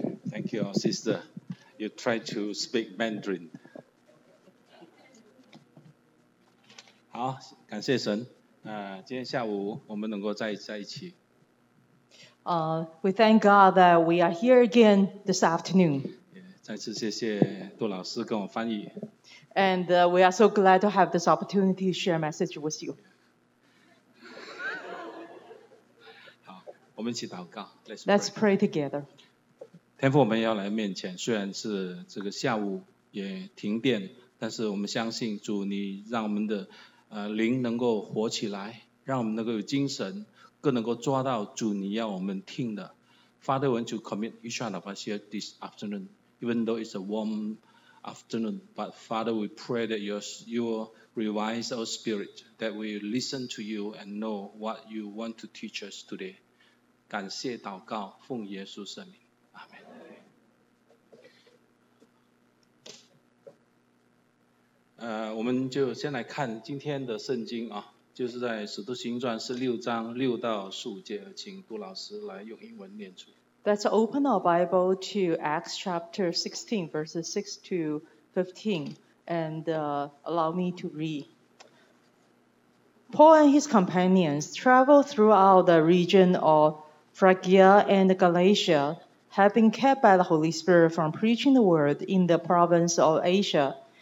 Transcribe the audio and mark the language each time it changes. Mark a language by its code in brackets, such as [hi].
[en] Thank you, our sister. You try to speak Mandarin. [zh] 好，感谢神。今天下午我们能够在一起。 [en] We thank God that we are here again this afternoon. [zh] 再次谢谢杜老师跟我翻译。 [en] And we are so glad to have this opportunity to share a message with you. [zh] 好，我们一起祷告。 [en] Let's pray together. [zh] 天父，我们要来面前，虽然是这个下午也停电，但是我们相信主，你让我们的灵能够活起来，让我们能够有精神，更能够抓到主你要我们听的。 [en] Father, I want to commit each one of us here this afternoon, even though it's a warm afternoon, but Father, we pray that you will revise our spirit, that we listen to you and know what you want to teach us today. [zh] 感谢祷告，奉耶稣圣名。我们就先来看今天的圣经啊，就是在《使徒行传》是六章六到十五节，请杜老师来用英文念出。 [en] Let's open our Bible to Acts chapter 16, verses 6 to 15, and allow me to read. Paul and his companions traveled throughout the region of Phrygia and Galatia, having kept by the Holy Spirit from preaching the word in the province of Asia.